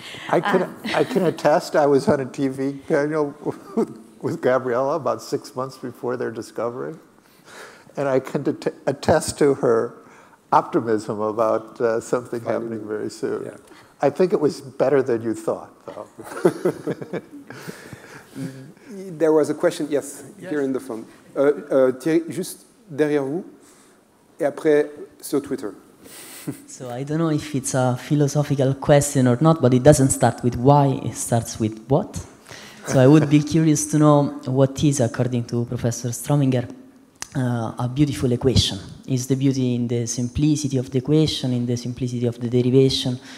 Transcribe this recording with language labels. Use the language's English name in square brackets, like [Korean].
[English] I can attest I was on a TV panel with Gabriela about 6 months before their discovery. And I can attest to her optimism about something happening very soon. Yeah. I think it was better than you thought, though. There was a question, yes, here in the front. [French] Thierry, just derrière vous, et après sur Twitter. [English] So I don't know if it's a philosophical question or not, but it doesn't start with why, it starts with what. So I would be curious to know what is, according to Professor Strominger, a beautiful equation. Is the beauty in the simplicity of the equation, in the simplicity of the derivation?